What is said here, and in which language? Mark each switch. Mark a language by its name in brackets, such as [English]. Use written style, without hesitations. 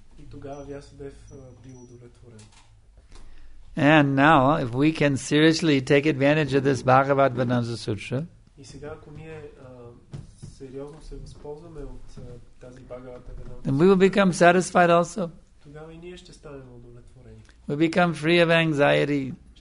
[Bulgarian] И тогава Vyasadev бил удовлетворен. [English] And now, if we can seriously take advantage of this Bhagavad Vedanta Sutra, [Bulgarian] и сега, ако ние сериозно се възползваме от тази Bhagavad Vedanta Sutra, [English] then we will become satisfied also. [Bulgarian] Тогава и ние ще станем удовлетворени. [English] We become free of anxiety.